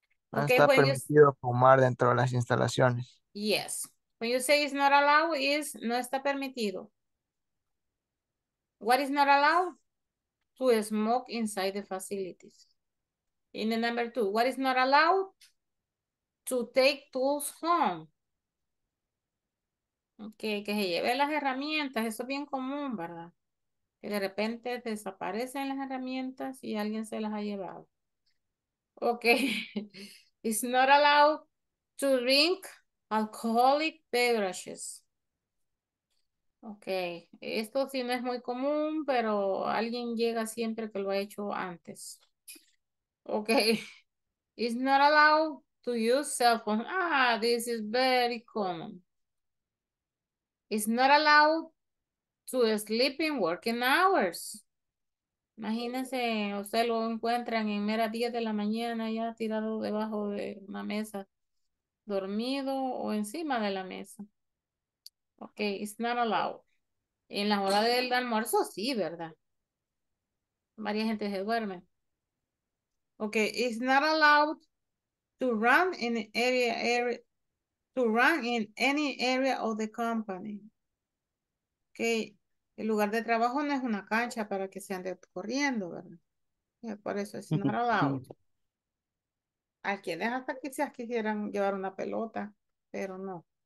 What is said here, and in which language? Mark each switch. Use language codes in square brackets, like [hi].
[es] No okay, está when permitido you, fumar dentro de las instalaciones. [en] Yes, when you say it's not allowed, is [es] no está permitido. [en] What is not allowed? To smoke inside the facilities. In the number two, what is not allowed? To take tools home. [es] Okay, que se lleve las herramientas, eso es bien común, ¿verdad? Que de repente desaparecen las herramientas y alguien se las ha llevado. Okay. [en] It's not allowed to drink alcoholic beverages. Okay. [es] Esto sí no es muy común, pero alguien llega siempre que lo ha hecho antes. [en] Okay. It's not allowed to use cell phone. Ah, this is very common. It's not allowed to sleep in working hours. [es] Imagínense, usted lo encuentran en mera 10 de la mañana ya tirado debajo de una mesa, dormido o encima de la mesa. Okay, [en] it's not allowed. [es] En la hora del almuerzo, sí, ¿verdad? Varias gente se duerme. [en] Okay, it's not allowed to run in any area of the company. Okay. [es] El lugar de trabajo no es una cancha para que se ande corriendo, ¿verdad? Y por eso es [en] not allowed. [es] A quienes hasta quizás quisieran llevar una pelota, pero no.